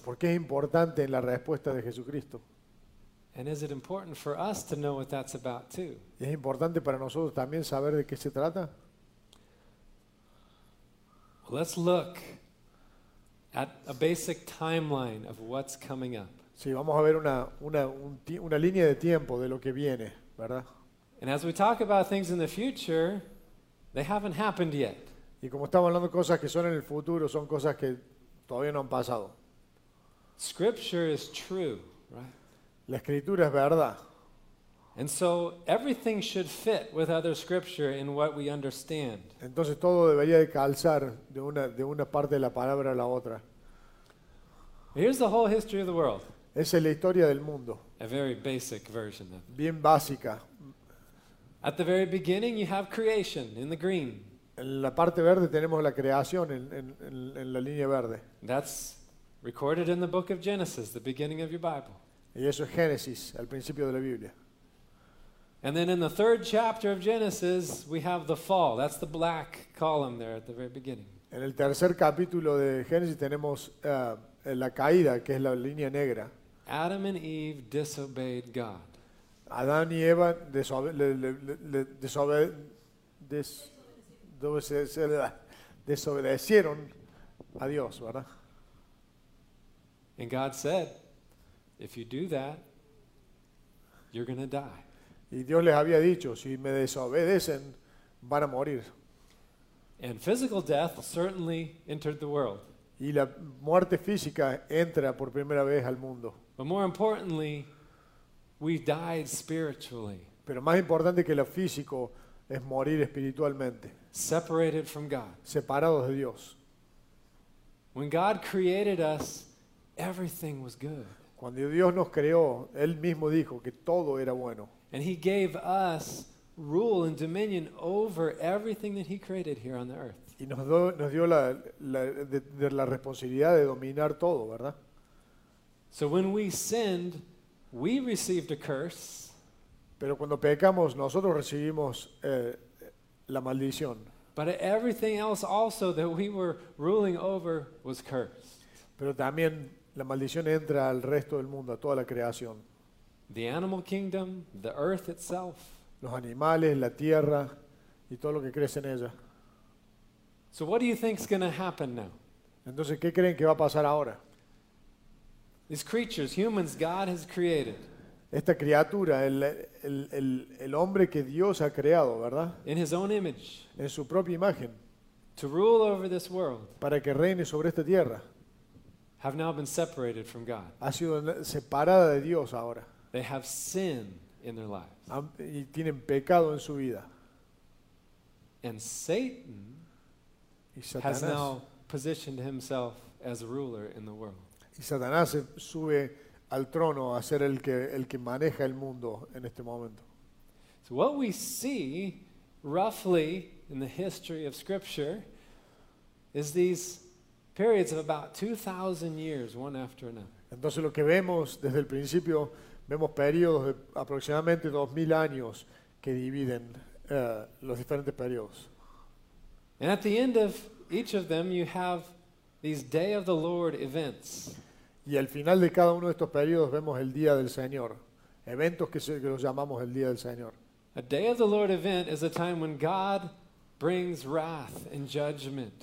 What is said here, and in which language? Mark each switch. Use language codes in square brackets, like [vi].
[es] ¿Por qué es importante en la respuesta de Jesucristo? [en] And is it important for us to know what that's about too? [es] ¿Es importante para nosotros también saber de qué se trata? [en] Well, let's look at a basic timeline of what's coming up. [es] Sí, vamos a ver una línea de tiempo de lo que viene, ¿verdad? [en] And as we talk about things in the future, they haven't happened yet. [es] Y como estamos hablando de cosas que son en el futuro, son cosas que todavía no han pasado. [en] Scripture is true, right? [es] La escritura es verdad. [en] And so everything should fit with other scripture in what we understand. [es] Entonces todo debería de calzar de una parte de la palabra a la otra. [en] Here's the whole history of the world. [es] Esa es la historia del mundo. [en] A very basic version of it. [es] Bien básica. [en] At the very beginning you have creation in the green. [es] En la parte verde tenemos la creación en la línea verde. [en] That's recorded in the book of Genesis, the beginning of your Bible. [es] Y eso es Génesis, al principio de la Biblia. [en] And then in the third chapter of Genesis, we have the fall. That's the black column there at the very beginning. [es] En el tercer capítulo de Génesis tenemos la caída, que es la línea negra. [en] Adam and Eve disobeyed God. [es] Adán y Eva desobedecieron a Dios, ¿verdad? [en] And God said, if you do that, you're going to die. [es] Y Dios les había dicho, si me desobedecen, van a morir. [en] And physical death certainly entered the world. [es] Y la muerte física entra por primera vez al mundo. [en] But more importantly, we died spiritually. [es] Pero más importante que lo físico es morir espiritualmente. [en] Separated from God. [es] Separados de Dios. [en] When God created us, everything was good. [es] Cuando Dios nos creó, Él mismo dijo que todo era bueno. [en] And He gave us rule and dominion over everything that He created here on the earth. [es] Y nos dio la responsabilidad de dominar todo, ¿verdad? [en] So when we sinned, we received a curse. [es] Pero cuando pecamos, nosotros recibimos la maldición. [en] But everything else also that we were ruling over was cursed. [es] Pero también la maldición entra al resto del mundo, a toda la creación. [en] The animal kingdom, the earth itself. [es] Los animales, la tierra y todo lo que crece en ella. [en] So what do you think is going to happen now? [es] Entonces, ¿qué creen que va a pasar ahora? [en] These creatures, humans, God has created. [es] Esta criatura, el hombre que Dios ha creado, ¿verdad? [en] In His own image. [es] En su propia imagen. [en] To rule over this world. [es] Para que reine sobre esta tierra. [en] Have now been separated from God. [es] Ha sido separada de Dios ahora. [en] They have sin in their lives. [es] Y tienen pecado en su vida. [en] And Satan has now positioned himself as a ruler in the world. [es] Y Satanás sube al trono a ser el que maneja el mundo en este momento. [en] So what we see roughly in the history of Scripture is these periods of about 2,000 years, one after another. [es] Entonces lo que vemos desde el principio, vemos periodos de aproximadamente 2,000 años que dividen los diferentes periodos. [en] And at the end of each of them, you have these Day of the Lord events. [es] Y al final de cada uno de estos periodos vemos el Día del Señor, eventos que los llamamos el Día del Señor. [en] A Day of the Lord event is a time when God brings wrath and judgment.